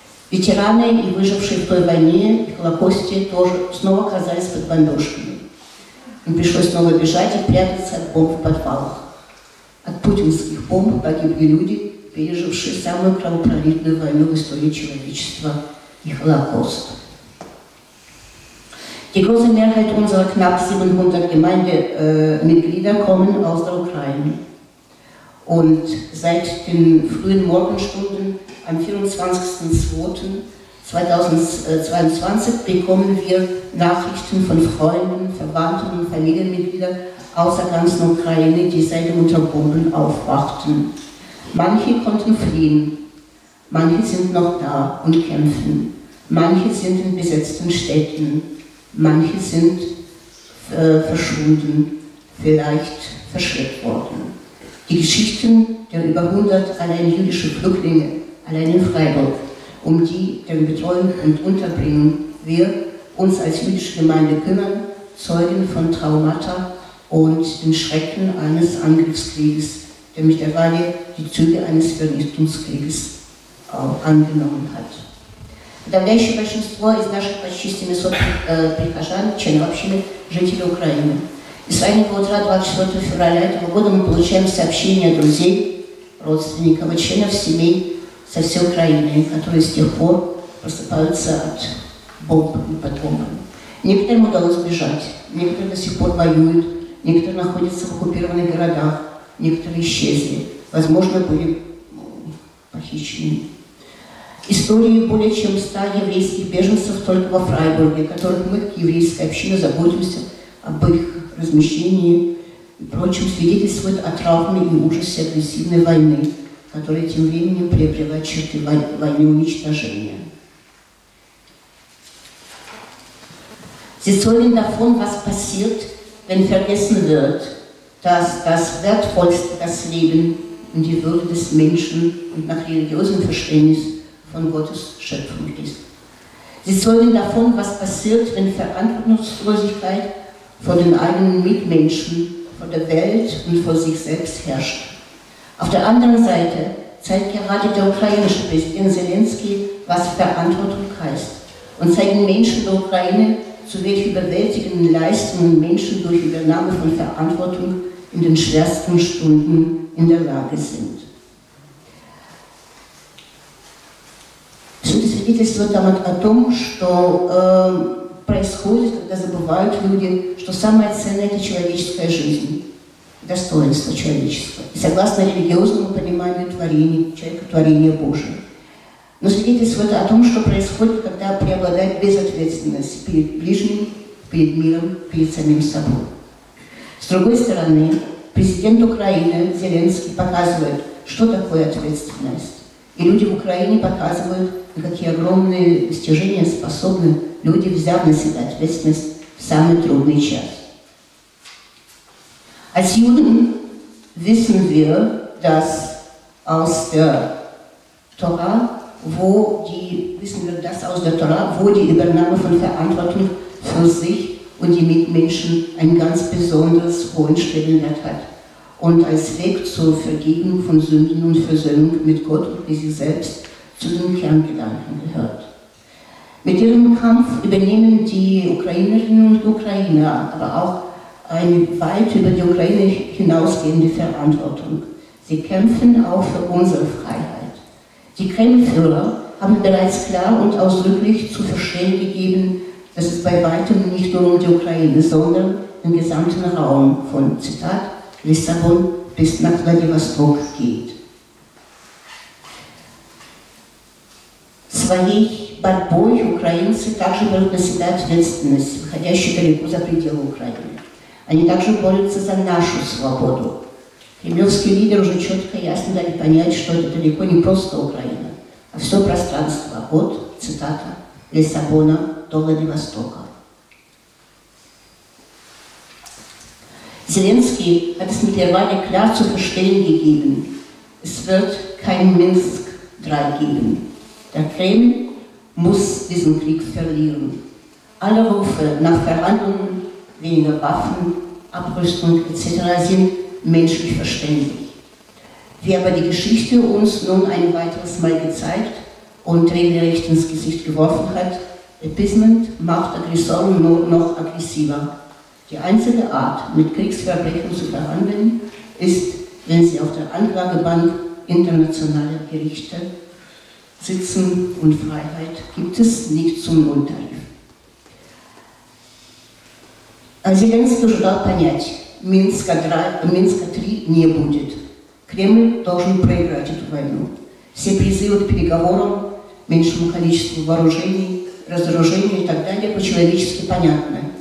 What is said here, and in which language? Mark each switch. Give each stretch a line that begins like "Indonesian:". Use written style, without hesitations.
Russian: Ветераны и выжившие в той войне, в Холокосте, тоже снова оказались под бомбежками. Им пришлось снова бежать и прятаться от бомб в подвалах. От путинских бомб погибли люди, пережившие самую кровопролитную войну в истории человечества и Холокост.
German: Die große Mehrheit unserer knapp 700 Gemeindemitglieder kommen aus der Ukraine. Und seit den frühen Morgenstunden am 24.02.2022 bekommen wir Nachrichten von Freunden, Verwandten und Familienmitgliedern aus der ganzen Ukraine, die seit dem unter Bomben aufwachten. Manche konnten fliehen, manche sind noch da und kämpfen, manche sind in besetzten Städten. Manche sind verschwunden, vielleicht verschleppt worden. Die Geschichten der über 100 allein jüdische Flüchtlinge, allein in Freiburg, um die, deren Betreuung und Unterbringung wir uns als jüdische Gemeinde kümmern, zeugen von Traumata und den Schrecken eines Angriffskrieges, der mittlerweile die Züge eines Vernichtungskrieges angenommen hat.
Russian: Подавляющее большинство из наших почти 700 прихожан, членов общины, жителей Украины. И с раннего утра 24 февраля этого года мы получаем сообщения друзей, родственников и членов семей со всей Украины, которые с тех пор просыпаются от бомб и под бомбами. Некоторым удалось сбежать, некоторые до сих пор воюют, некоторые находятся в оккупированных городах, некоторые исчезли, возможно, были похищены. Истории более чем 100 еврейских беженцев только во Фрайбурге, которых мы, как еврейская община, заботимся об их размещении и прочем, свидетельствуют о травме и ужасе агрессивной войны, которая тем временем приобрела черты войны уничтожения.
German: Sie sollen davon, was passiert, wenn vergessen wird, dass das Wertvollste, das Leben und die Würde des Menschen und nach religiösem Verständnis von Gottes Schöpfung ist. Sie zeugen davon, was passiert, wenn Verantwortungslosigkeit vor den eigenen Mitmenschen, vor der Welt und vor sich selbst herrscht. Auf der anderen Seite zeigt gerade der ukrainische Präsident Zelensky, was Verantwortung heißt und zeigen Menschen der Ukraine, zu welchen überwältigenden Leistungen Menschen durch Übernahme von Verantwortung in den schwersten Stunden in der Lage sind.
Russian: Свидетельствует там о том, что происходит, когда забывают люди, что самое ценное – это человеческая жизнь, достоинство человечества. И согласно религиозному пониманию творения, человека – творение Божие. Но свидетельствует о том, что происходит, когда преобладает безответственность перед ближним, перед миром, перед самим собой. С другой стороны, президент Украины Зеленский показывает, что такое ответственность. И люди в Украине показывают, какие огромные достижения способны люди, взяв на себя ответственность в самый трудный час.
German: Als Juden wissen wir, dass aus der Tora, wo die Übernahme von Verantwortung für sich und die Mitmenschen einen ganz besonders hohen Stellenwert hat und als Weg zur Vergebung von Sünden und Versöhnung mit Gott und mit sich selbst zu den Kerngedanken gehört. Mit ihrem Kampf übernehmen die Ukrainerinnen und Ukrainer aber auch eine weit über die Ukraine hinausgehende Verantwortung. Sie kämpfen auch für unsere Freiheit. Die Kremlführer haben bereits klar und ausdrücklich zu verstehen gegeben, dass es bei weitem nicht nur um die Ukraine, sondern im gesamten Raum von, Zitat, Lissabon bis nach Vladivostok geht.
Russian: Своей борьбой украинцы также будут наседать ответственность, выходящую далеко за пределы Украины. Они также борются за нашу свободу. Кремлевские лидеры уже четко и ясно дали понять, что это далеко не просто Украина, а все пространство от, цитата, Лиссабона до Владивостока.
German: Зеленский hat es mittlerweile klar zu verstehen gegeben. Es wird kein Minsk 3 geben. Der Kreml muss diesen Krieg verlieren. Alle Rufe nach Verhandlungen, weniger Waffen, Abrüstung etc. sind menschlich verständlich. Wie aber die Geschichte uns nun ein weiteres Mal gezeigt und regelrecht ins Gesicht geworfen hat, Appeasement macht Aggressoren nur noch aggressiver. Die einzige Art, mit Kriegsverbrechen zu verhandeln, ist, wenn sie auf der Anklagebank internationaler Gerichte sitzen und Freiheit gibt es nicht zum Nulltarif. Also
Russian: Zelensky уже дал понять, Минска-3 не будет. Кремль должен проиграть эту войну. Все призывы к переговорам, меньшему количеству вооружений, разоружению и так далее по-человечески понятны.